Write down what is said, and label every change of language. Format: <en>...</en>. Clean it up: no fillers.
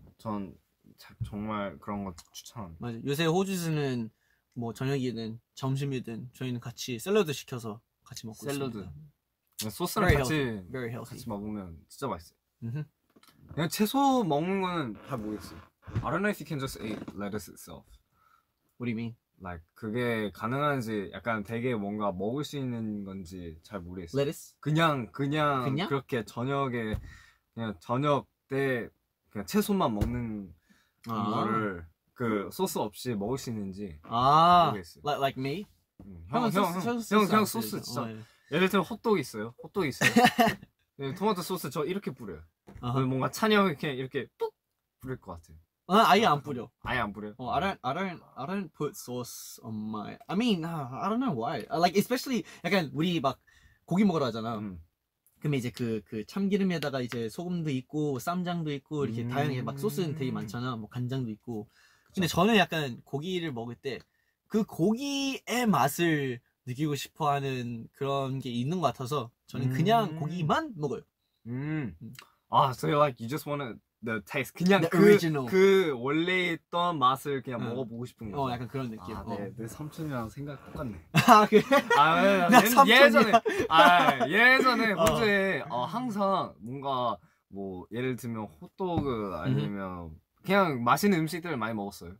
<ko>전 정말 그런 거 추천합니다. 맞아. 요새 호주스는 뭐 저녁이든 점심이든 저희는 같이 샐러드 시켜서 같이 먹고 샐러드. 있습니다.</ko> <en>샐러드. 소스랑 very 같이 healthy. Very healthy.</en> <ko>같이 먹으면 진짜 맛있어요. 그냥 채소 먹는 거는 잘 모르겠어요.</ko> <en>I don't know if you can just eat lettuce itself. What do you mean?</en> <ko>Like 그게 가능한지 약간 되게 뭔가 먹을 수 있는 건지 잘 모르겠어요.</ko> <en>Lettuce?</en> <ko>그냥 그렇게 저녁에 그냥 저녁 때 그냥 채소만 먹는 아. 거를 그 소스 없이 먹을 수 있는지 아. 모르겠어요.</ko> <en>Like me?</en> <ko>형 소스 진짜. 예를 들면 호떡 있어요. 네, 토마토 소스 저 이렇게 뿌려요. Uh-huh. 뭔가 찬이 형이 그냥 이렇게 뚝 뿌릴 것 같아요. 아, 아예 안 뿌려. 아예 안 뿌려.</ko> <en>어, I don't put sauce on my. I mean, I don't know why. Like especially</en> <ko>약간 우리 막 고기 먹으러 하잖아. 그럼 이제 그 참기름에다가 이제 소금도 있고 쌈장도 있고 이렇게 다양하게 막 소스는 되게 많잖아. 뭐 간장도 있고. 그쵸. 근데 저는 약간 고기를 먹을 때 그 고기의 맛을 느끼고 싶어하는 그런 게 있는 것 같아서 저는 그냥 고기만 먹어요.</ko> <en>아, so you're like you just want the taste, 그냥 the original.</en> <ko>그 원래 있던 맛을 그냥 먹어보고 싶은 거. 어, 약간 그런 느낌. 아, 네, 내 삼촌이랑 생각 똑같네. 아, 그래? 아, 삼촌이야. 예전에 호주에 항상 뭔가 뭐 예를 들면 호떡을 아니면 그냥 맛있는 음식들을 많이 먹었어요.</ko>